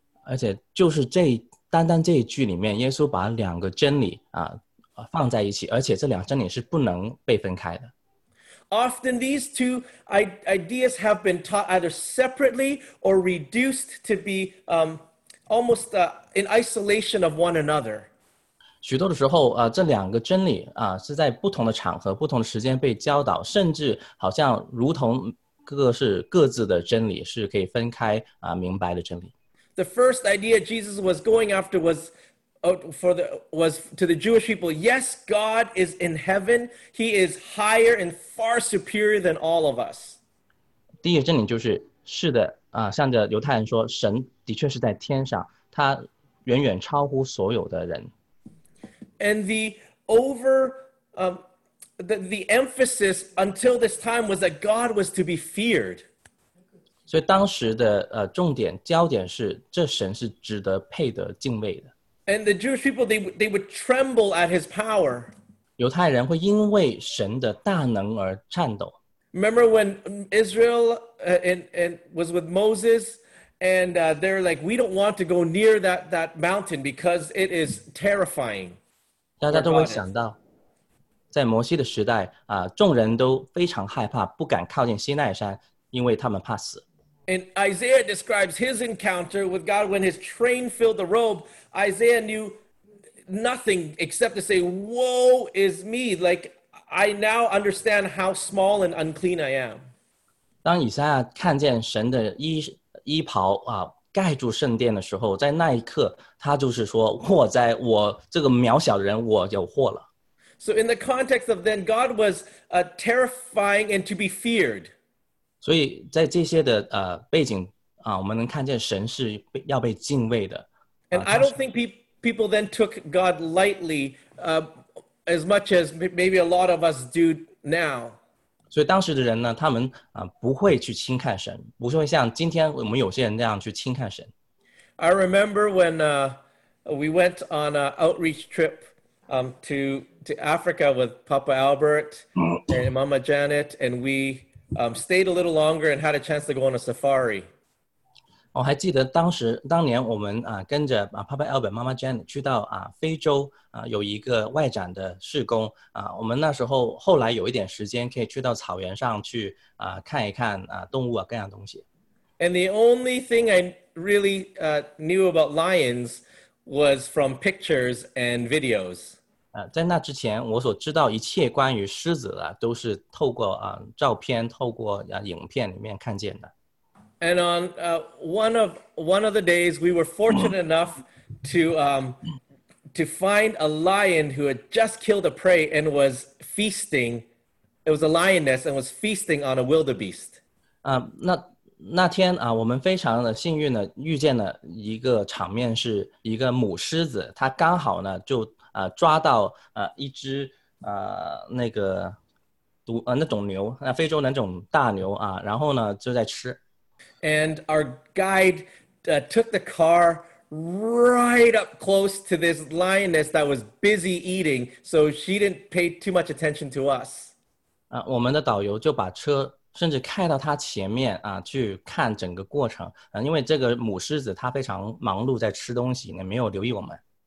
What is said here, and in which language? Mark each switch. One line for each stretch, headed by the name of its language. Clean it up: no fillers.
Chinese: 而且就是这单单这一句里面，耶稣把两个真理放在一起，而且这两个真理是不能被分开的。
English: Often these two ideas have been taught either separately or reduced to be almost in isolation of one another.
Chinese: 许多的时候这两个真理是在不同的场合不同的时间被教导，甚至好像如同各是各自的真理，是可以分开明白的真理。
English: The first idea Jesus was going after was to the Jewish people, yes, God is in heaven. He is higher and far superior than all of us.
Chinese: 第一个真理就是，是的，向着犹太人说，神的确是在天上，他远远超乎所有的人。
English: And the the emphasis until this time was that God was to be feared.
Chinese: 所以当时的重点焦点是，这神是值得配得敬畏的。
English: And the Jewish people, they would tremble at his power.
Chinese: 犹太人会因为神的大能而颤抖。
English: Remember when Israel and was with Moses, and they're like, we don't want to go near that mountain because it is terrifying.
Chinese: 大家都会想到，在摩西的时代众人都非常害怕，不敢靠近西奈山，因为他们怕死。
English: And Isaiah describes his encounter with God when his train filled the robe. Isaiah knew nothing except to say, woe is me. Like, I now understand how small and unclean I am.
Chinese: 当以赛亚看见神的衣袍盖住圣殿的时候，在那一刻，他就是说，祸哉，我这个渺小的人，我有祸了。
English: So in the context of then, God was terrifying and to be feared.
Chinese: 所以在这些的背景我们能看见神是要被敬畏的。
English: And I don't think people then took God lightly, as much as maybe a lot of us do now.
Chinese: 所以当时的人呢，他们不会去轻看神，不会像今天我们有些人那样去轻看神。
English: I remember when we went on an outreach trip to Africa with Papa Albert and Mama Janet, and we. Stayed a little longer and had a chance to go on a safari.
Chinese: 我还记得当年我们跟着Papa Albert、Mama Jane 去到非洲有一个外展的事工我们那时候后来有一点时间可以去到草原上去看一看动物各样东西。
English: And the only thing I really knew about lions was from pictures and videos.
Chinese: 在那之前我所知道一切关于狮子的都是透过照片透过影片里面看见的。
English: And on one of the days we were fortunate enough to find a lion who had just killed a prey and was feasting, it was a lioness and was feasting on a wildebeest.
Chinese: 那天我们非常的幸运的遇见了一个场面，是一个母狮子，它刚好呢就抓到一只那个毒那种牛，那非洲那种大牛啊，然后呢就在吃。
English: And our guide took the car right up close to this lioness that was busy eating, so she didn't pay too much attention to us.
Chinese: 我们的导游就把车甚至开到他前面啊，去看整个过程啊，因为这个母狮子它非常忙碌在吃东西，没有留意我们。